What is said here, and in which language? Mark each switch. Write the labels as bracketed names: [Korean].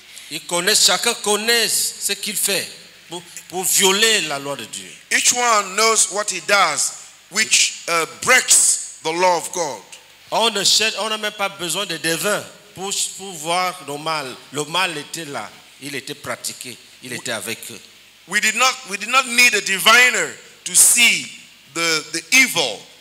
[French] Ils connaissent, chacun connaît ce qu'il fait pour violer la loi de Dieu. [English] Each one knows what he does, which breaks the law of God. [French] On ne cherche, on n'a même pas besoin de devin pour voir le mal. Le mal était là, il était pratiqué, il était avec eux. [English] We did not need a diviner to see the evil.